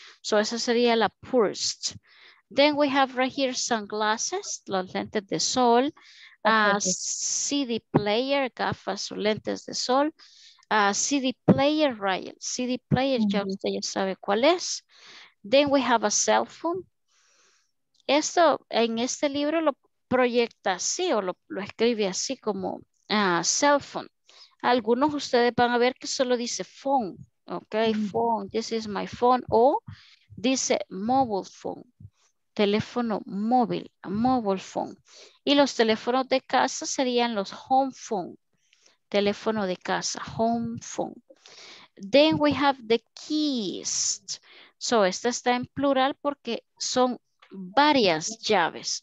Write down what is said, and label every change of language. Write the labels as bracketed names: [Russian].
[English] So [Spanish] esa sería la [English] purse. Then we have right here sunglasses, [Spanish] los lentes de sol, [English] CD player, [Spanish] gafas o lentes de sol, [English] CD player, right? CD player, mm-hmm. [Spanish] Ya usted ya sabe cuál es. [English] Then we have a cell phone. [Spanish] Esto en este libro lo proyecta así o lo escribe así como cell phone. Algunos ustedes van a ver que solo dice phone, ok, mm-hmm. [English] Phone, this is my phone, [Spanish] o dice [English] mobile phone. [Spanish] Teléfono móvil, mobile phone. Y los teléfonos de casa serían los home phone. Teléfono de casa, home phone. [English] Then we have the keys. [Spanish] So, esta está en plural porque son varias llaves.